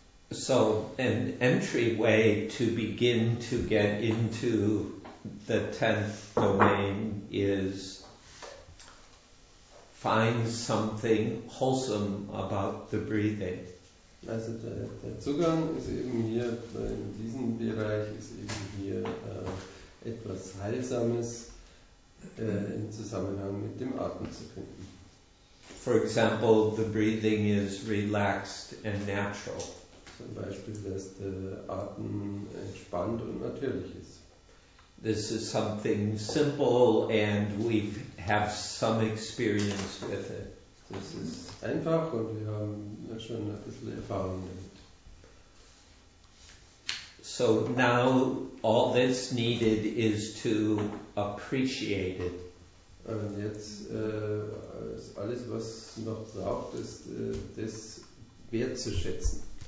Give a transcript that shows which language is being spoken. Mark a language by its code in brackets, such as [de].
[en] So an entryway to begin to get into the tenth domain is find something wholesome about the breathing. [de] Also der Zugang ist eben hier, in diesem Bereich ist eben hier etwas Heilsames im Zusammenhang mit dem Atmen zu finden. [en] For example, the breathing is relaxed and natural. [de] Zum Beispiel, dass der Atem entspannt und natürlich ist. [en] This is something simple and we have some experience with it. [de] Das ist einfach und wir haben schon ein bisschen Erfahrung damit. [en] So now all that's needed is to appreciate it. [de] Und jetzt ist alles, was noch braucht, ist das wertzuschätzen.